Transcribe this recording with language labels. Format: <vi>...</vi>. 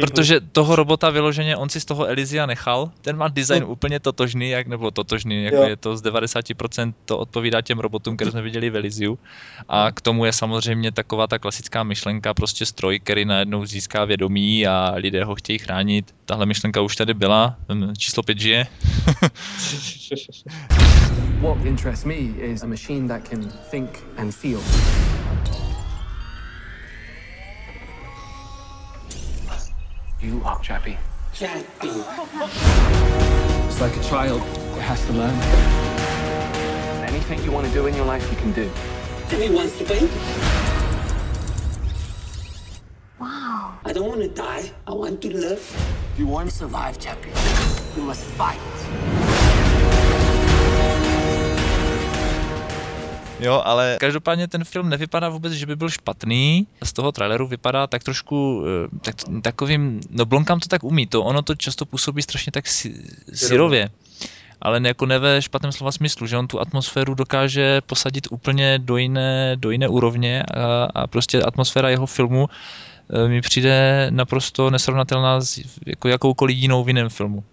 <cs>Protože toho robota vyloženě, on si z toho Elysia nechal, ten má design úplně totožný, jako je to z 90% to odpovídá těm robotům, které jsme viděli v Elysiu. A k tomu je samozřejmě taková ta klasická myšlenka, prostě stroj, který najednou získá vědomí a lidé ho chtějí chránit. Tahle myšlenka už tady byla, číslo 5 žije.</cs> <en>What interests me is a machine that can think and feel. You are Chappie. Chappie. It's like a child that has to learn. Anything you want to do in your life, you can do. Chappie wants to be. Wow. I don't want to die. I want to live. If you want to survive, Chappie, you must fight.</en> <cs>Jo, ale každopádně ten film nevypadá vůbec, že by byl špatný. Z toho traileru vypadá tak trošku tak, takovým, no Blomkamp to tak umí, to ono to často působí strašně tak syrově. Ale jako ne ve špatném slova smyslu, že on tu atmosféru dokáže posadit úplně do jiné úrovně a prostě atmosféra jeho filmu mi přijde naprosto nesrovnatelná s jako jakoukoliv jinou v jiném filmu.</cs>